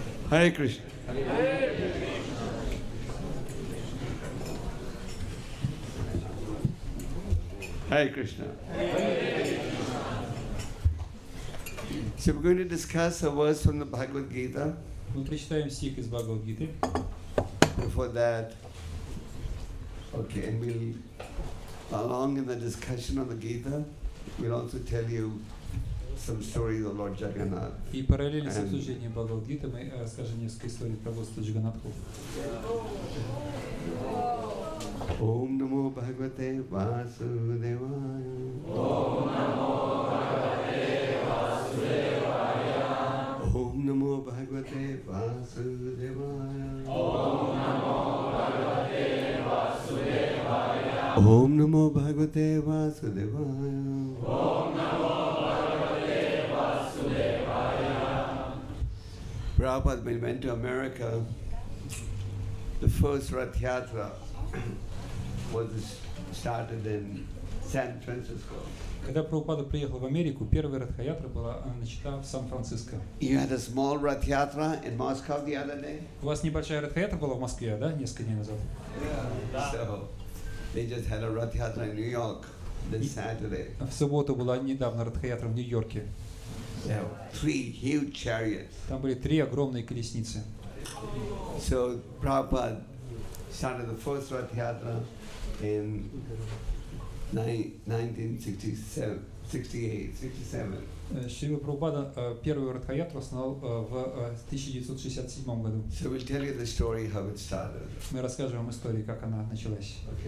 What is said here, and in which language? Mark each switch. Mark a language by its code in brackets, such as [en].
[en] Hare Krishna. Hare Krishna. So we're going to discuss a verse from the Bhagavad Gita. [ru] Мы прочитаем стих из Бхагавад Гиты. [en] Before that, okay, and we'll along in the discussion of the Gita, we'll also tell you some stories of Lord Jagannath. [ru] И параллельно с изучением Бхагавад Гиты мы расскажем несколько историй про Господа Джаганнатху. [sa] Om Namo Bhagavate Vasudevaya. Om Namo Bhagavate Vasudevaya. Om Namo Bhagavate Vasudevaya. Om Namo Bhagavate Vasudevaya. Om Namo Bhagavate Vasudevaya. Om Namo Bhagavate Vasudevaya. [en] Prabhupada, when he went to America, the first Rath Yatra was started in San Francisco. [ru] Когда Прабхупада приехал в Америку, первая Ратха-ятра была начата в Сан-Франциско. [en] You had a small Ratha-yatra in Moscow the other day? [ru] У вас небольшая Ратха-ятра была в Москве, да, несколько дней назад? [en] Yeah. So they just had a Ratha-yatra in New York this Saturday. [ru] В субботу была недавно Ратха-ятра в Нью-Йорке. [en] There were three huge chariots. [ru] Там были три огромные колесницы. [en] So Prabhupada started the first Ratha-yatra in 1967. So we'll tell you the story how it started. [ru] Мы расскажем вам историю, как она началась.